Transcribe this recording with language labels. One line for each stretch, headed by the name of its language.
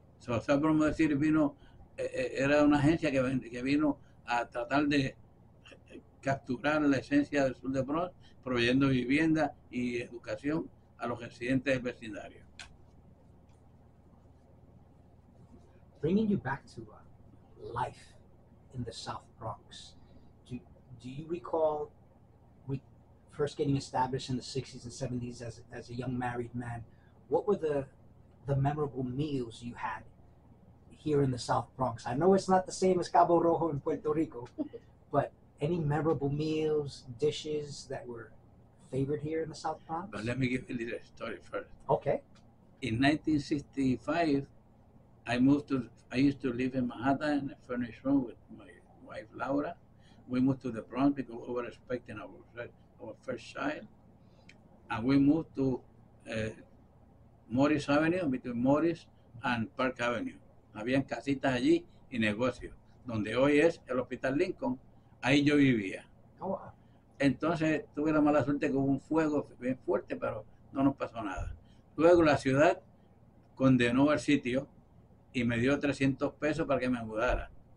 Spanish: Uh-huh. So, Southern Mother City vino, era una agencia que vino a tratar de capturar la esencia del sur de Bronx, proveyendo vivienda y educación a los residentes del vecindario.
English: Bringing you back to life in the South Bronx, do you recall first getting established in the 60s and 70s as a young married man? What were the memorable meals you had here in the South Bronx? I know it's not the same as Cabo Rojo in Puerto Rico, but any memorable meals, dishes that were favored here in the South Bronx? But let me give you a little story first. Okay. In 1965, I used to live in Manhattan in a furnished room with my wife, Laura. We moved to the Bronx because we were expecting our first child. And we moved to Morris Avenue, between Morris and Park Avenue.
Spanish: Habían casitas allí y negocios, donde hoy es el Hospital Lincoln. Ahí yo vivía. Entonces tuve la mala suerte que hubo un fuego bien fuerte, pero no nos pasó nada. Luego la ciudad condenó al sitio y me dio 300 pesos para que me mudara.